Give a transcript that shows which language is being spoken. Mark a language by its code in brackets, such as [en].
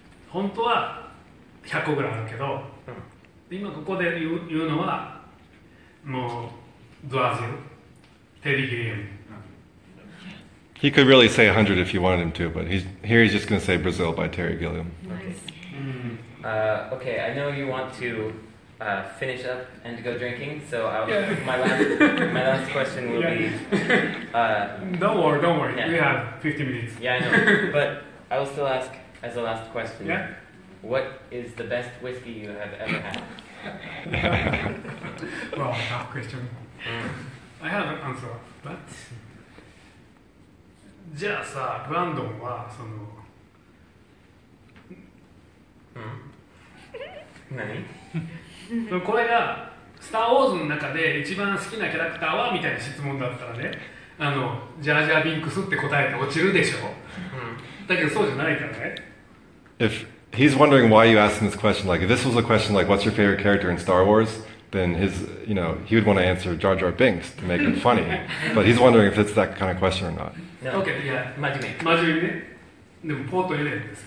[ja] 本当は100個ぐらいあるけど、今ここで言うのはもうドアゼロ、テリヒリアム。 [en] He could really say 100 if you wanted him to, but he's just going to say Brazil by Terry Gilliam. Nice. Okay, I know you want to finish up and go drinking, so yeah. my last question will yeah. be... Don't worry, yeah. We have 50 minutes. Yeah, I know, but I will still ask as a last question. Yeah. What is the best whiskey you have ever had? Well, tough question. I have an answer, but... [ja] じゃあさ、グランドンはその… うん何これが、スター・ウォーズの中で一番好きなキャラクターはみたいな質問だったらね、あの、ジャージャー・ビンクスって答えて落ちるでしょ、うん、だけどそうじゃないからね。 [en] If he's wondering why you asked him this question, like if this was a question like what's your favorite character in Star Wars, then his, you know, he would want to answer Jar Jar Binks to make it funny. But he's wondering if it's that kind of question or not. No. Okay, yeah, imagine me. Port Ellen.